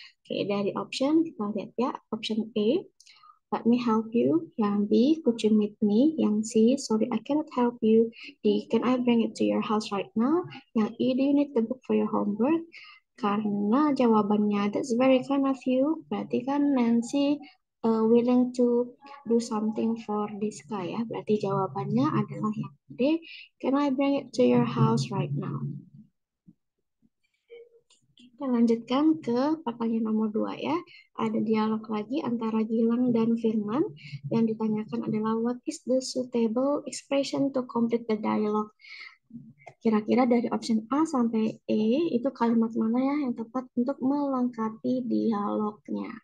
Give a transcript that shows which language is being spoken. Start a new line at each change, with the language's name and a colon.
Indonesian: Oke, dari option kita lihat ya,
English: option A, let me help you,
Indonesian: yang B,
English: could you meet me,
Indonesian: yang C,
English: sorry I cannot help you, D, can I bring it to your house right now,
Indonesian: yang E,
English: do you need the book for your homework.
Indonesian: Karena jawabannya
English: that's very kind of you,
Indonesian: berarti kan
English: Nancy willing to do something for this guy ya.
Indonesian: Berarti jawabannya adalah yang D.
English: Can I bring it to your house right now?
Indonesian: Kita lanjutkan ke pertanyaan nomor 2 ya. Ada dialog lagi antara Gilang dan Firman. Yang ditanyakan adalah
English: what is the suitable expression to complete the dialogue?
Indonesian: Kira-kira dari option A sampai E itu kalimat mana ya yang tepat untuk melengkapi dialognya?